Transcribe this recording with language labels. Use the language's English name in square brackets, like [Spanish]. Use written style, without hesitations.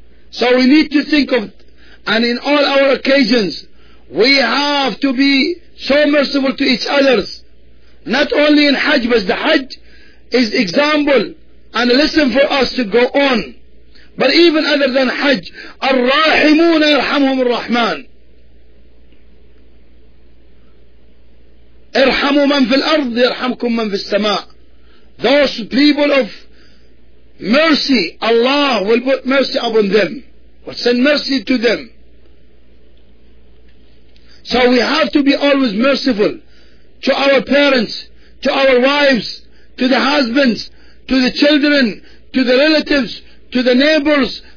[English] So we need to think of, and in all our occasions, we have to be so merciful to each other. Not only in Hajj, but the Hajj is example and a lesson for us to go on. But even other than Hajj, [Arabic] الرَّاحِمُونَ يَرْحَمُهُمُ الرَّحْمَنِ اِرْحَمُوا مَنْ فِي الْأَرْضِ يَرْحَمْكُمْ مَنْ فِي السَّمَاءِ. [English] Those people of mercy, Allah will put mercy upon them, will send mercy to them. So we have to be always merciful to our parents, to our wives, to the husbands, to the children, to the relatives, to the neighbors,